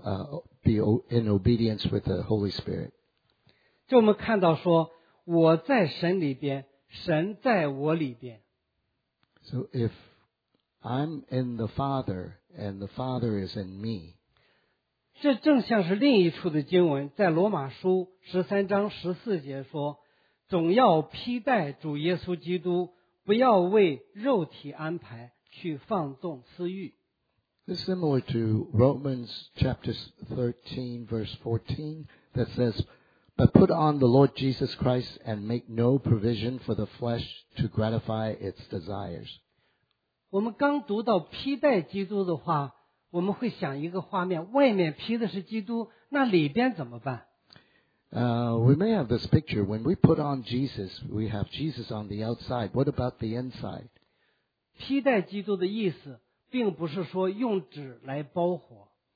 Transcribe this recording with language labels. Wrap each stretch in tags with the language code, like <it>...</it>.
<en>What do I do to be in obedience with the Holy Spirit?</en> <zh>就我们看到说，我在神里边，神在我里边。</zh> <en>So if I'm in the Father,And the Father is in me.</en> <zh>这正像是另一处的经文，在罗马书十三章十四节说，总要披戴主耶稣基督，不要为肉体安排去放纵私欲。</zh> <en>It's similar to Romans chapter 13 verse 14 that says, But put on the Lord Jesus Christ and make no provision for the flesh to gratify its desires.</en> <zh>我们刚读到披戴基督的话，我们会想一个画面，外面披的是基督，那里边怎么办？</zh> <en>We may have this picture. When we put on Jesus, we have Jesus on the outside. What about the inside?</en> <zh>披戴基督的意思并不是说用纸来包裹。</zh>